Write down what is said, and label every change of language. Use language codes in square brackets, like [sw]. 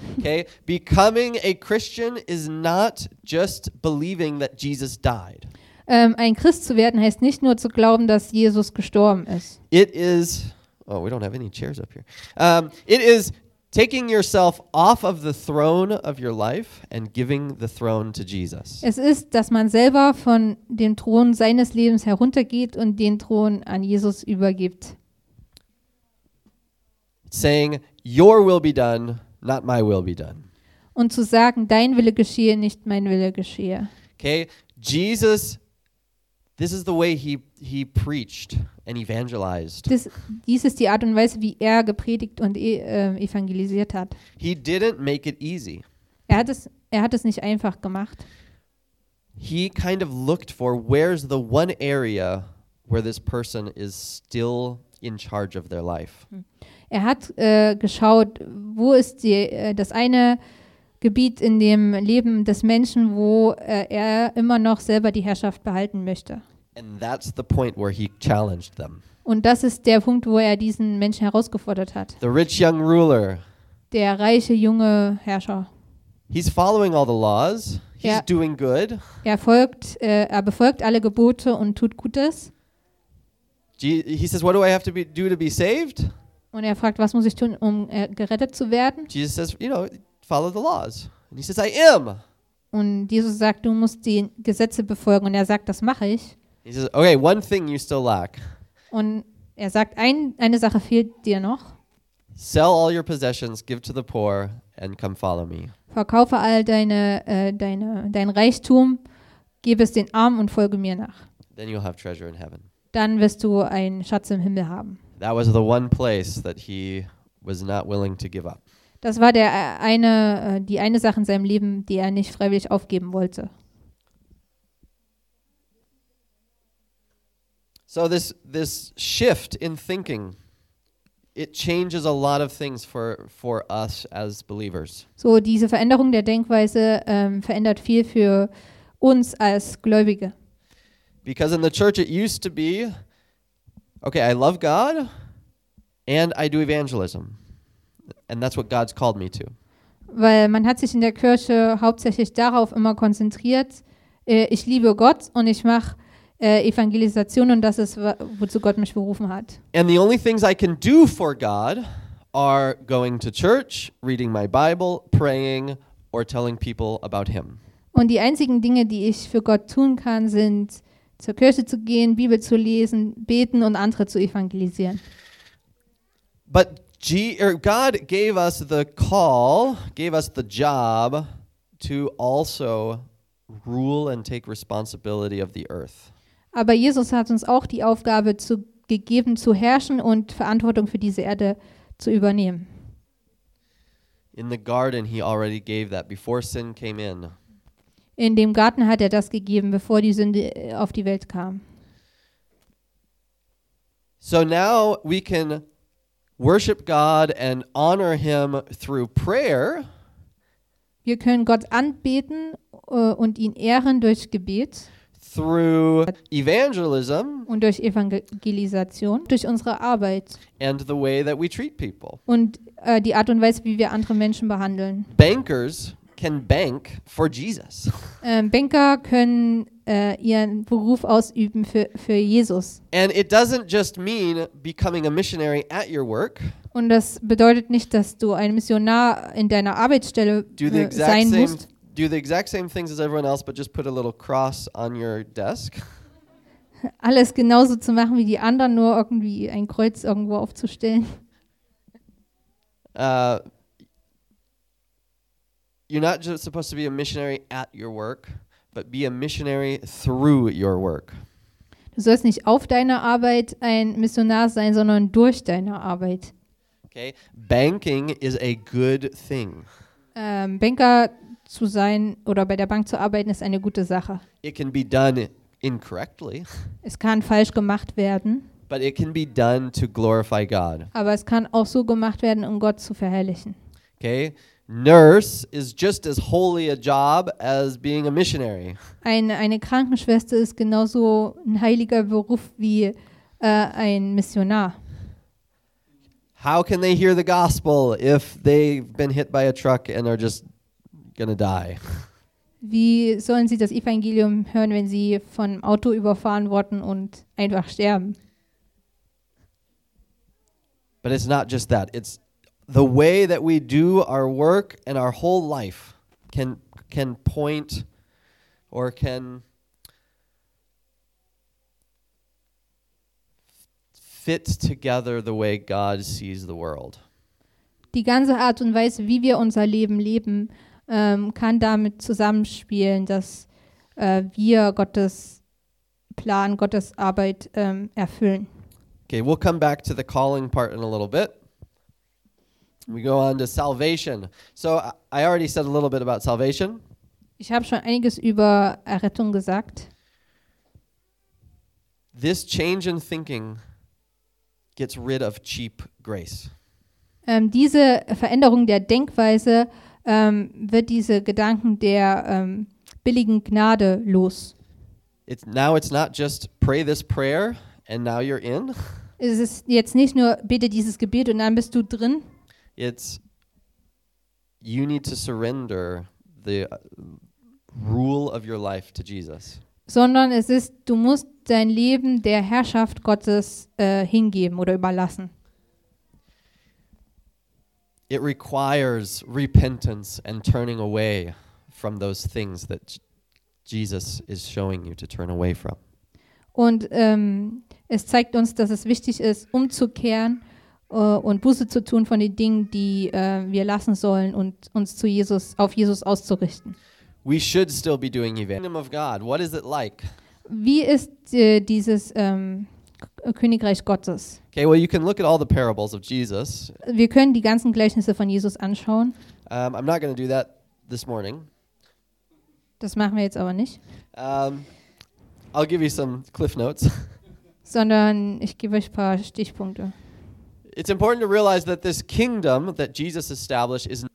[en] Okay, becoming a Christian is not just believing that Jesus died. [de] Ein Christ zu werden heißt nicht nur zu glauben, dass Jesus gestorben ist. [en] It is. Oh, we don't have any chairs up here. It is taking yourself off of the throne of your life and giving the throne to Jesus. [de] Es ist, dass man selber von dem Thron seines Lebens heruntergeht und den Thron an Jesus übergibt. [en] Saying, your will be done, not my will be done. [de] Und zu sagen, dein Wille geschehe, nicht mein Wille geschehe. [en] Okay, Jesus, this is the way he preached and evangelized. [de] Dies ist die Art und Weise, wie er gepredigt und evangelisiert hat. [en] He didn't make it easy. [de] Er hat es nicht einfach gemacht. [en] He kind of looked for where's the one area where this person is still in charge of their life. [de] Er hat geschaut, wo ist die das eine Gebiet in dem Leben des Menschen, wo er immer noch selber die Herrschaft behalten möchte. [en] And that's the point where he challenged them. [de] Und das ist der Punkt, wo er diesen Menschen herausgefordert hat. [en] The rich young ruler. [de] Der reiche junge Herrscher. [en] He's following all the laws. He's doing good. [de] Er befolgt alle Gebote und tut Gutes. [en] He says, what do I have to be saved? [de] Und er fragt, was muss ich tun, um gerettet zu werden? [en] Jesus says, you know, follow the laws. And he says, I am. [de] Und Jesus sagt, du musst die Gesetze befolgen. Und er sagt, das mache ich. [en] He says, okay, one thing you still lack. [de] Und er sagt, eine Sache fehlt dir noch. [en] Sell all your possessions, give to the poor, and come follow me. [de] Verkaufe all dein Reichtum, gib es den Armen und folge mir nach. [en] Then you'll have treasure in heaven. [de] Dann wirst du einen Schatz im Himmel haben. [en] That was the one place that he was not willing to give up. [de] Das war die eine Sache in seinem Leben, die er nicht freiwillig aufgeben wollte. [en] So this shift in thinking, it changes a lot of things for us as believers. [de] So diese Veränderung der Denkweise verändert viel für uns als Gläubige. [en] Because in the church it used to be, okay, I love God and I do evangelism. And that's what God's called me to. [de] Weil man hat sich in der Kirche hauptsächlich darauf immer konzentriert, ich liebe Gott und ich mache Evangelisation und das ist, wozu Gott mich berufen hat. [en] And the only things I can do for God are going to church, reading my Bible, praying or telling people about him. [de] Und die einzigen Dinge, die ich für Gott tun kann, sind zur Kirche zu gehen, Bibel zu lesen, beten und andere zu evangelisieren. [en] But God gave us the call, gave us the job to also rule and take responsibility of the earth. [de] Aber Jesus hat uns auch die Aufgabe gegeben zu herrschen und Verantwortung für diese Erde zu übernehmen. [en] In the garden he already gave that before sin came in. [de] In dem Garten hat er das gegeben, bevor die Sünde auf die Welt kam. [en] So now we can worship God and honor him through prayer. [de] Wir können Gott anbeten und ihn ehren durch Gebet. [en] Through evangelism. [de] Und durch Evangelisation, durch unsere Arbeit. [en] And the way that we treat people. [de] Und die Art und Weise, wie wir andere Menschen behandeln. [en] Bankers can bank for Jesus. [de] Banker können ihren Beruf ausüben für Jesus. [en] And it doesn't just mean becoming a missionary at your work. [de] Und das bedeutet nicht, dass du ein Missionar in deiner Arbeitsstelle sein musst. [en] Do the exact same things as everyone else, but just put a little cross on your desk. [de] Alles genauso zu machen wie die anderen, nur irgendwie ein Kreuz irgendwo aufzustellen. [en] You're not just supposed to be a missionary at your work, but be a missionary through your work. [de] Du sollst nicht auf deiner Arbeit ein Missionar sein, sondern durch deine Arbeit. [en] Okay, banking is a good thing. [de] Banker zu sein oder bei der Bank zu arbeiten ist eine gute Sache. [en] It can be done incorrectly. [de] Es kann falsch gemacht werden. [en] But it can be done to glorify God. [de] Aber es kann auch so gemacht werden, um Gott zu verherrlichen. [en] Okay. Nurse is just as holy a job as being a missionary. [de] Eine Krankenschwester ist genauso ein heiliger Beruf wie ein Missionar. [en] How can they hear the gospel if they've been hit by a truck and are just gonna die? [de] Wie sollen sie das Evangelium hören, wenn sie von Auto überfahren wurden und einfach sterben? [en] But it's not just that. It's the way that we do our work and our whole life can point or can fit together the way God sees the world. [de] Die ganze Art und Weise, wie wir unser Leben leben, kann damit zusammenspielen, dass wir Gottes Plan, Gottes Arbeit erfüllen. [en] Okay, we'll come back to the calling part in a little bit. We go on to salvation. So I already said a little bit about salvation. [de] Ich habe schon einiges über Errettung gesagt. [en] This change in thinking gets rid of cheap grace. [de] Diese Veränderung der Denkweise wird diese Gedanken der billigen Gnade los. [en] It's now it's not just pray this prayer and now you're in. [de] Es ist jetzt nicht nur bete dieses Gebet und dann bist du drin. [en] It's you need to surrender the rule of your life to Jesus. [de] Sondern es ist, du musst dein Leben der Herrschaft Gottes hingeben oder überlassen. [en] It requires repentance and turning away from those things that Jesus is showing you to turn away from. [de] Und es zeigt uns, dass es wichtig ist, umzukehren und Buße zu tun von den Dingen, die wir lassen sollen und uns zu Jesus, auf Jesus auszurichten. [en] We should still be doing evangelism. Kingdom of God, what is it like? [de] Wie ist dieses Königreich Gottes? [en] Okay, well, you can look at all the parables of Jesus. [de] Wir können die ganzen Gleichnisse von Jesus anschauen. [en] I'm not going to do that this morning. [de] Das machen wir jetzt aber nicht. [en] I'll give you some cliff notes. [de] Sondern ich gebe euch ein paar Stichpunkte. [en] It's important to realize that this kingdom that Jesus established is.